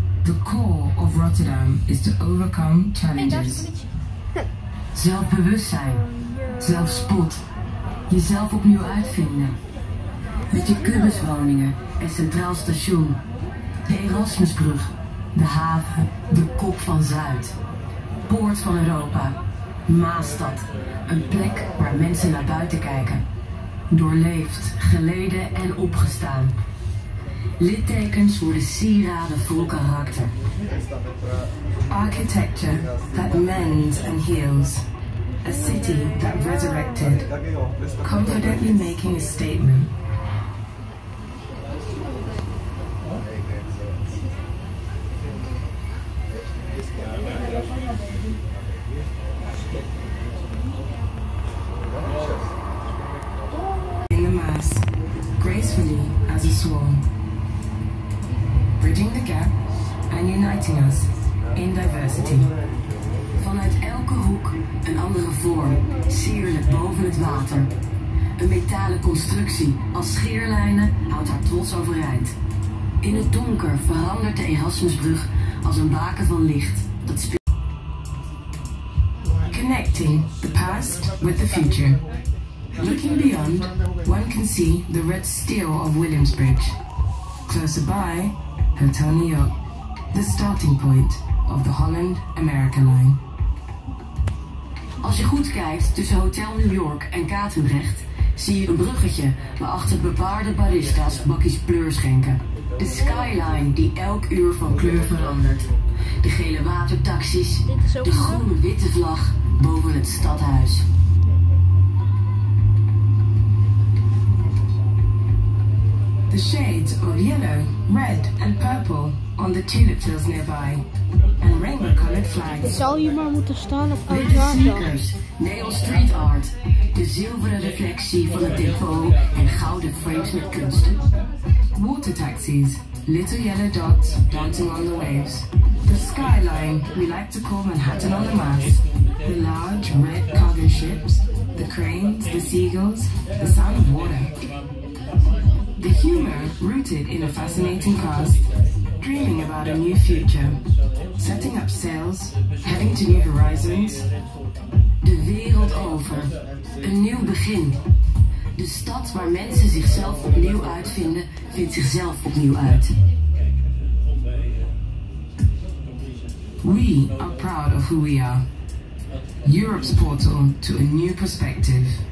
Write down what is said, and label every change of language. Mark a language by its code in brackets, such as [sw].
[en] The core of Rotterdam is to overcome challenges. [nl] Zelfbewustzijn. Zelfspot. Jezelf opnieuw uitvinden. Met je kubuswoningen en Centraal Station. De Erasmusbrug. De haven. De kop van Zuid. Poort van Europa. Maastad. Een plek waar mensen naar buiten kijken. Doorleefd, geleden en opgestaan. Littekens worden sieraden voor karakter. [en] Architecture that mends and heals. A city that resurrected. Confidently making a statement. In the mass, gracefully as a swan. Bridging the gap and uniting us in diversity. [nl] Vanuit elke hoek een andere vorm, sierlijk boven het water. Een metalen constructie als scheerlijnen houdt haar trots overeind. In het donker verandert de Erasmusbrug als een baken van licht dat speelt. [en] Connecting the past with the future. Looking beyond, one can see the red steel of Williams Bridge. Closer by, Hotel New York, the starting point of the Holland-America line. [nl] Als je goed kijkt tussen Hotel New York en Katendrecht, zie je een bruggetje waarachter bewaarde barista's bakjes pleur schenken. De skyline die elk uur van kleur verandert. De gele watertaxis, de groene witte vlag boven het stadhuis. [en] The shades of yellow, red and purple on the tulip hills nearby. And rainbow colored flags. [nl] Ik zou hier maar moeten staan op [en] Seekers, Neon Street Art. [nl] De zilveren reflectie van het depot en gouden frames met kunst. [en] Water taxis, little yellow dots dancing on the waves. The skyline we like to call Manhattan on the Mass. The large red cargo ships, the cranes, the seagulls, the sound of water. The humor rooted in a fascinating past, dreaming about a new future, setting up sails, heading to new horizons. [nl] De wereld over, een nieuw begin. De stad waar mensen zichzelf opnieuw uitvinden, vindt zichzelf opnieuw uit. [en] We are proud of who we are. Europe's portal to a new perspective.